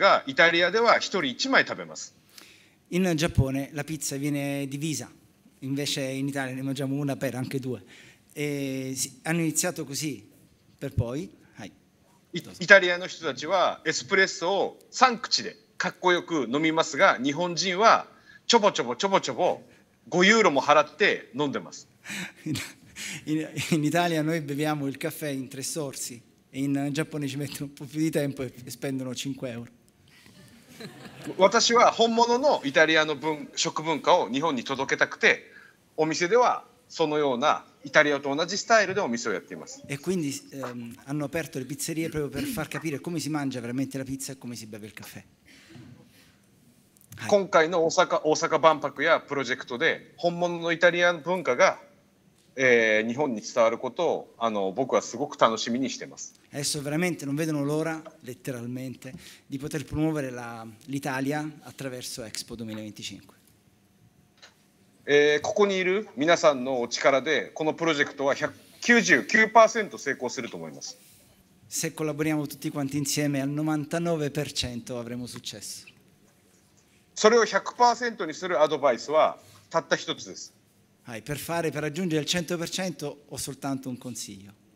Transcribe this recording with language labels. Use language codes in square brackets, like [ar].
[ja] それだけではなくて、日本はピッツァをシェアする文化ですが、イタリアでは一人一枚食べます。 [it] In Giappone la pizza viene divisa, invece in Italia ne mangiamo una per anche due. E hanno iniziato così, per poi. [ja] イタリアの人たちはエスプレッソを3口でかっこよく飲みますが、日本人はちょぼちょぼちょぼちょぼ5ユーロも払って飲んでます。 [it] In Italia noi beviamo il caffè in tre sorsi, e in Giappone ci mettono un po' più di tempo e spendono 5 euro. [ja] 私は本物のイタリアの食文化を日本に届けたくて、お店ではそのようなイタリアと同じスタイルでお店をやっています。 [it] E quindi hanno aperto le pizzerie proprio per far capire come si mangia veramente la pizza e come si beve il caffè. [ja] 今回の大阪万博やプロジェクトで本物のイタリアの文化が日本に伝わることを僕はすごく楽しみにしています。 [it] Adesso veramente non vedono l'ora, letteralmente, di poter promuovere l'Italia attraverso Expo [ja] 2025.ここにいる皆さんのお力でこのプロジェクトは199%成功すると思います。 [it] Se collaboriamo tutti quanti insieme al 99% avremo successo. [ja] それを100%にするアドバイスはたった一つです。 [it] Hai, per fare, per raggiungere il 100% ho soltanto un consiglio.